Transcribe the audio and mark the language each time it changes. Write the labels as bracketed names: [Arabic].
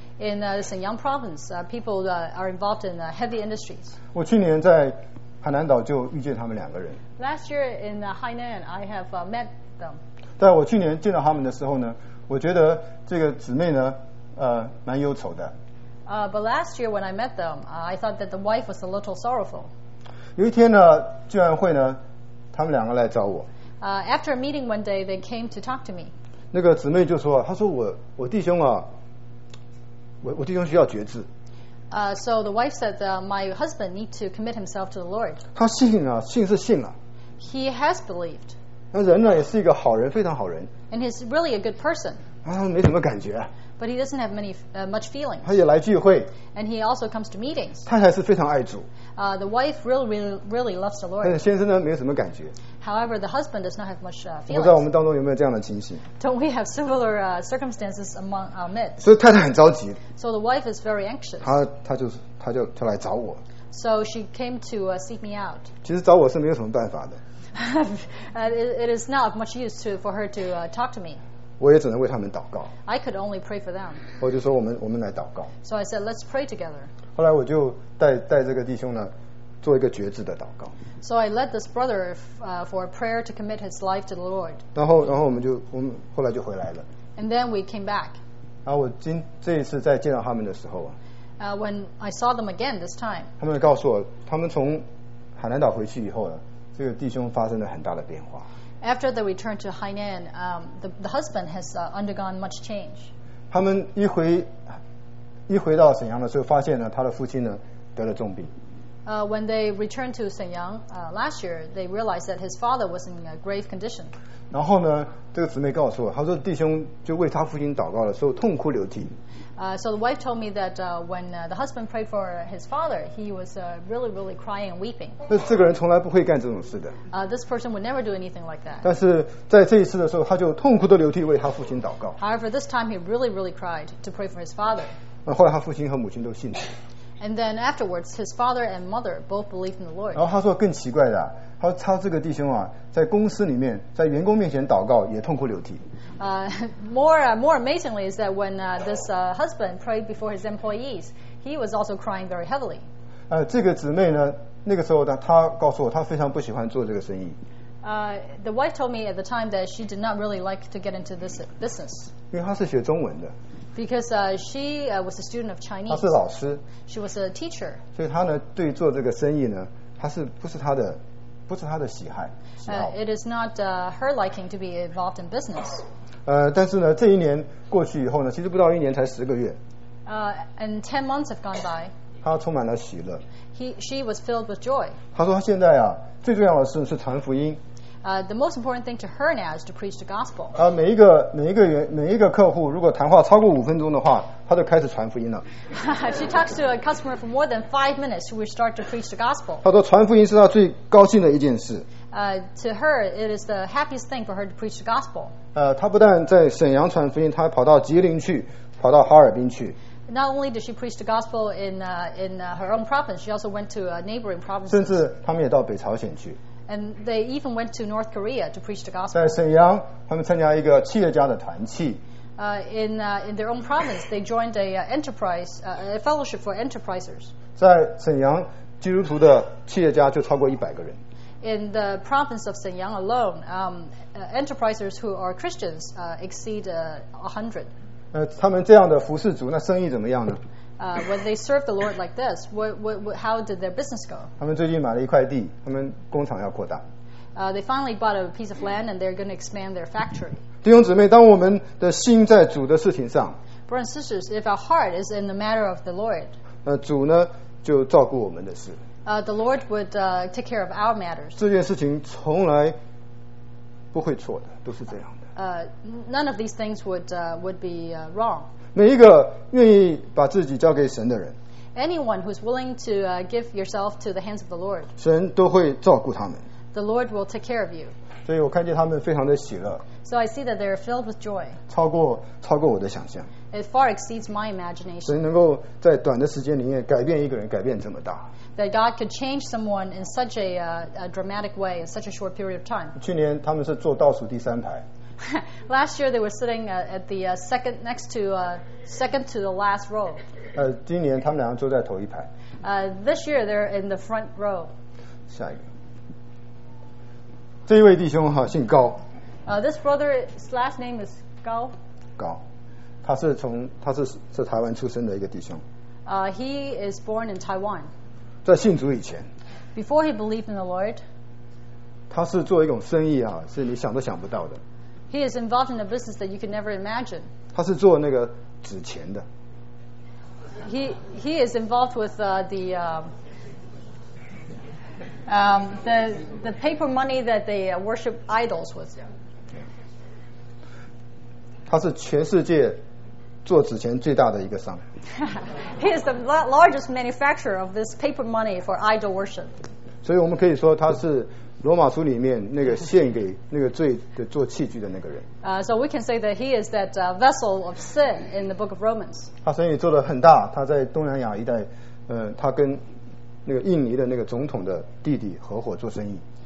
[English] In Shenyang province, people are involved in heavy industries. [Chinese] 我去年在海南岛就遇见他们两个人。 [English] Last year in Hainan, I have met them. [Chinese] 在我去年见到他们的时候呢，我觉得这个姊妹呢，蛮忧愁的。 [English] But last year when I met them, I thought that the wife was a little sorrowful. [Chinese] 有一天呢，聚完会呢，他们两个来找我。 [English] After a meeting one day, they came to talk to me. [Chinese] 那个姊妹就说，她说我弟兄啊，我弟兄需要决志。 [English] So the wife said that my husband need to commit himself to the Lord. [Chinese] 他信啊，信是信了。 [English] He has believed. [Chinese] 那人呢，也是一个好人，非常好人。 [English] And he's really a good person. [Chinese] 啊，没什么感觉。 [English] But he doesn't have many, much feelings. [Chinese] 他也来聚会。 [English] And he also comes to meetings. [Chinese] 太太是非常爱主。 [English] The wife really, really, really loves the Lord. [Chinese] 但是先生呢，没有什么感觉。 [English] However, the husband does not have much feelings. [Chinese] 我不知道我们当中有没有这样的情形。 [English] Don't we have similar circumstances among our midst? [Chinese] 所以太太很着急。 [English] So the wife is very anxious. [Chinese] 她就来找我。 [English] So she came to seek me out. [Chinese] 其实找我是没有什么办法的。 [English] it is not of much use for her to talk to me. [Chinese] 我也只能为他们祷告。 [English] I could only pray for them. [Chinese] 我就说我们来祷告。 [English] So I said, let's pray together. [Chinese] 后来我就带这个弟兄呢，做一个决志的祷告。 [English] So I led this brother for a prayer to commit his life to the Lord. [Chinese] 然后我们后来就回来了。 [English] And then we came back. [Chinese] 然后这一次再见到他们的时候啊。 [English] When I saw them again this time. [Chinese] 他们告诉我，他们从海南岛回去以后呢，这个弟兄发生了很大的变化。 [English] After the return to Hainan, the husband has undergone much change. [Chinese] 他们一回到沈阳的时候，发现呢，他的父亲呢得了重病。 [English] When they returned to Shenyang last year, they realized that his father was in a grave condition. [Chinese] 然后呢，这个姊妹告诉我，她说弟兄就为他父亲祷告的时候痛哭流涕。 [English] So the wife told me that when the husband prayed for his father, he was really, really crying and weeping. [Chinese] 那这个人从来不会干这种事的。 [English] This person would never do anything like that. [Chinese] 但是在这一次的时候，他就痛哭的流涕为他父亲祷告。 [English] However, this time he really, really cried to pray for his father. [Chinese] 后来他父亲和母亲都信主。 [English] And then afterwards, his father and mother both believed in the Lord. [Chinese] 然后他说更奇怪的，他说他这个弟兄啊，在公司里面，在员工面前祷告也痛哭流涕。 [English] More amazingly is that when this husband prayed before his employees, he was also crying very heavily. [Chinese] 这个姊妹呢，那个时候她告诉我，她非常不喜欢做这个生意。 [English] The wife told me at the time that she did not really like to get into this business. [Chinese] 因为她是学中文的。 [English] Because she was a student of Chinese. [Chinese] 她是老师。 [English] She was a teacher. [Chinese] 所以她呢，对做这个生意呢，她是不是她的喜爱。 [English] It is not her liking to be involved in business. [Chinese] 但是呢，这一年过去以后呢，其实不到一年，才十个月。 [English] And 10 months have gone by. [Chinese] 她充满了喜乐。 [English] She was filled with joy. [Chinese] 她说她现在啊，最重要的是传福音。 [English] The most important thing to her now is to preach the gospel. [Chinese] 每一个客户如果谈话超过五分钟的话，他就开始传福音了。 [English] If she talks to a customer for more than 5 minutes, she will start to preach the gospel. [Chinese] 他说传福音是他最高兴的一件事。 [English] To her, it is the happiest thing for her to preach the gospel. [Chinese] 他不但在沈阳传福音，他还跑到吉林去，跑到哈尔滨去。 [English] Not only did she preach the gospel in her own province, she also went to neighboring provinces. [Chinese] 甚至他们也到北朝鲜去。 [English] And they even went to North Korea to preach the gospel. [Chinese] 在沈阳，他们参加一个企业家的团契。 [English] In their own province, they joined a fellowship for enterprisers. [Chinese] 在沈阳，基督徒的企业家就超过100个人。 [English] In the province of Shenyang alone, enterprisers who are Christians exceed 100. [Chinese] 他们这样的服侍主，那生意怎么样呢？ [English] When they serve the Lord like this, how did their business go? [Chinese] 他们最近买了一块地，他们工厂要扩大。 [English] They finally bought a piece of land and they're going to expand their factory. [Chinese] 弟兄姊妹，当我们的心在主的事情上 [English] ，Brothers and sisters, if our heart is in the matter of the Lord, [Chinese] 主呢就照顾我们的事。 [English] The Lord would take care of our matters. [Chinese] 这件事情从来不会错的，都是这样的。 [English] None of these things would be wrong. [Chinese] 每一个愿意把自己交给神的人， [English] anyone who's willing to give yourself to the hands of the Lord, [Chinese] 神都会照顾他们。 [English] The Lord will take care of you. [Chinese] 所以我看见他们非常的喜乐。 [English] So I see that they are filled with joy. [Chinese] 超过我的想象。 [English] It far exceeds my imagination. [Chinese] 神能够在短的时间里面改变一个人，改变这么大。 [English] That God could change someone in such a dramatic way in such a short period of time. [Chinese] 去年他们是坐倒数第三排。 [English] Last year they were sitting at the second next to second to the last row. [Chinese] 今年他们两个坐在头一排。 [English] This year they're in the front row. [Chinese] 下一个。这一位弟兄哈姓高。 [English] This brother's last name is Gao. Gao. [Chinese] 他是台湾出生的一个弟兄。 [English] He is born in Taiwan. [Chinese] 在信主以前。 [English] Before he believed in the Lord. [Chinese] 他是做一种生意啊，是你想都想不到的。 [English] He is involved in a business that you can never imagine. [Chinese] 他是做那个纸钱的。 [English] He is involved with the paper money that they worship idols with. [Chinese] 他是全世界做纸钱最大的一个商。 [English] He is the largest manufacturer of this paper money for idol worship. [Chinese] 所以我们可以说他是罗马书里面那个献给那个罪的做器具的那个人。 [English] So we can say that he is that vessel of sin in the book of Romans. [Chinese] 他生意做得很大，他在东南亚一带，他跟那个印尼的那个总统的弟弟合伙做生意。